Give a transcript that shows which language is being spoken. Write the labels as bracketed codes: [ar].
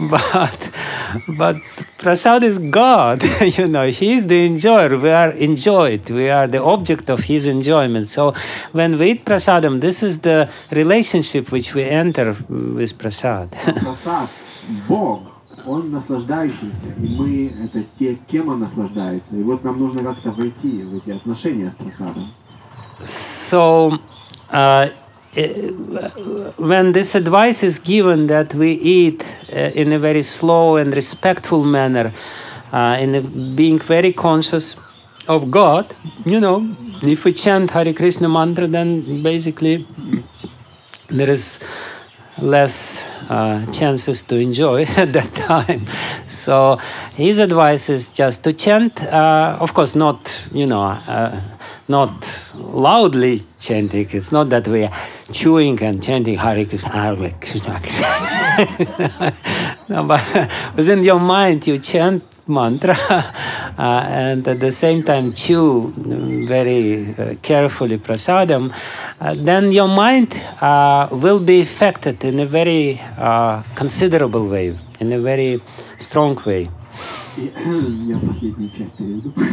[en] But prasad is God, you know, he is the enjoyer, we are enjoyed, we are the object of his enjoyment. So when we eat prasadam, this is the relationship which we enter with prasad. [ru] Prasad, Бог, он наслаждающийся, и мы это те, кем он наслаждается. И вот нам нужно как-то войти в эти отношения с прасадом. [en] So, when this advice is given that we eat in a very slow and respectful manner, in being very conscious of God, you know, if we chant Hare Krishna mantra, then basically there is less chances to enjoy at that time. So, his advice is just to chant, of course, not, you know, not loudly chanting. It's not that we are chewing and chanting Hare Krishna, Hare Krishna. No, but within your mind you chant mantra and at the same time chew very carefully prasadam. Then your mind will be affected in a very considerable way, in a very strong way. [ru] Я последнюю часть перейду.